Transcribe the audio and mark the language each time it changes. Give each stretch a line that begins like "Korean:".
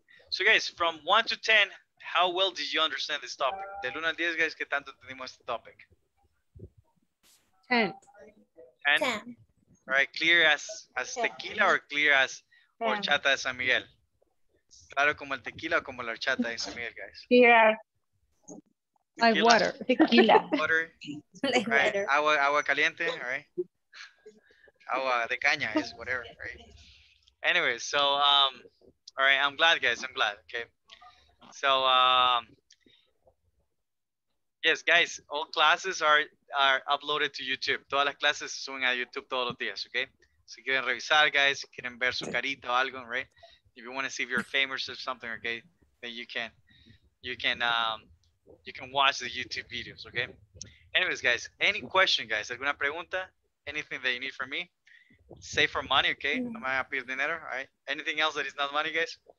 English: So, guys, from 1 to 10, how well did you understand this topic?
Spanish: De 1 a 10, guys, ¿qué tanto entendimos este topic?
English: 10. 10? All right. Clear as tequila or clear as horchata de San Miguel?
Spanish: Claro, como el tequila o como la horchata de San Miguel, guys.
English: Clear. Like water. Tequila. Water. Like right. Water.
Spanish: Agua caliente, right? Agua de caña,
English: is whatever, right? Anyway, so, all right, I'm glad, guys, I'm glad, okay? So, yes, guys, all classes are uploaded to YouTube.
Spanish: Todas las clases se suben a YouTube todos los días, okay? Si quieren revisar, guys, quieren ver su carita o algo, right?
English: If you want to see if you're famous or something, okay, then you can watch the YouTube videos, okay? Anyways, guys, any question, guys?
Spanish: ¿Alguna pregunta?
English: Anything that you need from me? Save for money, okay?
Spanish: No me voy a pedir dinero,
English: all right? Anything else that is not money, guys?